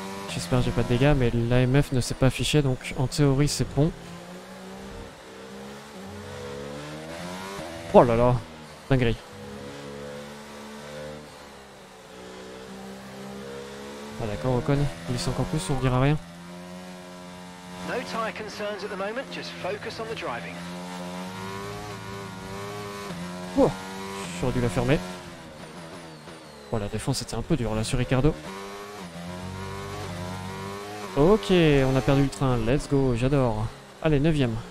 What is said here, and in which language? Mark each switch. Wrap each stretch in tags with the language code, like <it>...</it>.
<fr>J'espère que j'ai pas de dégâts, mais l'AMF ne s'est pas affiché, donc en théorie c'est bon. Oh là là, dinguerie. Ah d'accord, Ocon, il glisse encore plus, on dira rien.</fr> <en>No tire concerns at the moment, just focus on the driving.</en> <fr>Oh, j'aurais dû la fermer. Oh, la défense était un peu dure là sur Ricardo. Ok, on a perdu le train.</fr> <en>Let's go,</en> <fr>j'adore. Allez, 9e.</fr>